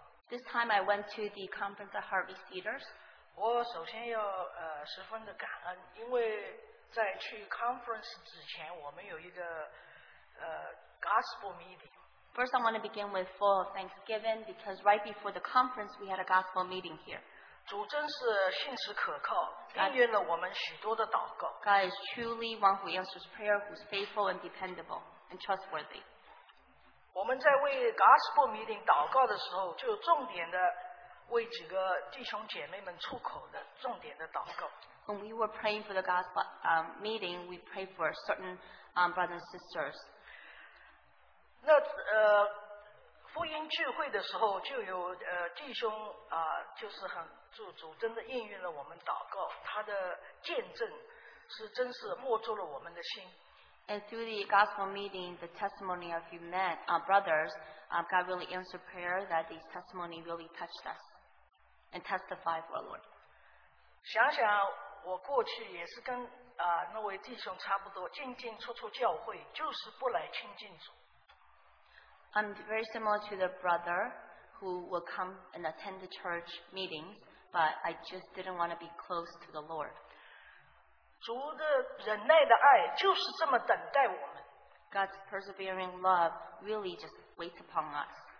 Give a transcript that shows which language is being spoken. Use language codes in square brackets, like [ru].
[en] This time I went to the conference at Harvey Cedars. [zh] 我首先要 十分的感恩, 因为在去 conference 之前我们有一个 [en] gospel meeting. First, I want to begin with full of thanksgiving because right before the conference, we had a gospel meeting here. [zh] 主真是信实可靠, 应允了我们许多的祷告。 [en] God is truly one who answers prayer, who's faithful and dependable and trustworthy. [zh] 我们在为 [en] gospel meeting [zh] 祷告的时候, 就重点的为几个弟兄姐妹们出口的重点的祷告。 [en] When we were praying for the gospel meeting, we prayed for certain brothers and sisters. [zh] 那, 福音聚会的时候, 就有, 弟兄, 就是很, 主真的应允了我们祷告, 他的见证是真是摸透了我们的心。 [en] And through the gospel meeting, the testimony of you met, brothers, God really answered prayer that these testimony really touched us and testified for our Lord. [zh] 想想我过去也是跟, 那位弟兄差不多, 进进出出教会, 就是不来亲近主。 [en] I'm very similar to the brother who will come and attend the church meetings, but I just didn't want to be close to the Lord. God's persevering love really just waits upon us.